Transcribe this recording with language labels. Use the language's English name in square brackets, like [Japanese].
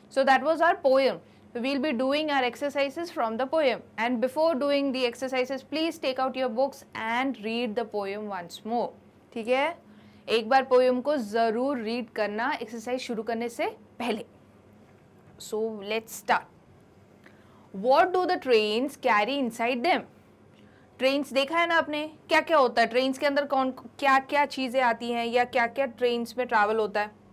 [English] So that was our poem. We'll be doing our exercises from the poem. And before doing the exercises please take out your books and read the poem once more. [Hindi] ठीक है, एक बार poem को ज़रूर read करना exercise शुरू करने से पहले. [English] So let's start. What do the trains carry inside them? [Hindi] Trains देखा है ना आपने, क्या क्या होता है trains के अंदर, कौन क्या क्या चीज़ें आती हैं या क्या क्या trains में travel होता है.